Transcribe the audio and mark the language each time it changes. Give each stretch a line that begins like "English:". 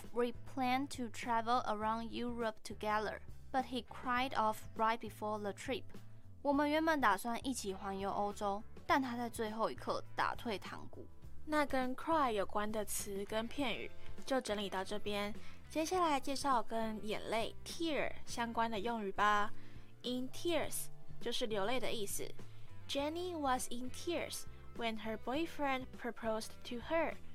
English: We planned to travel around Europe together, but he cried off right before the trip.
Chinese: 我们原本打算一起环游欧洲，但他在最后一刻打退堂鼓。那跟 cry 有关的词跟片语就整理到这边，接下来介绍跟眼泪 tear 相关的用语吧。 In tears 就是流泪的意思。
English: Jenny was in tears when her boyfriend proposed to her。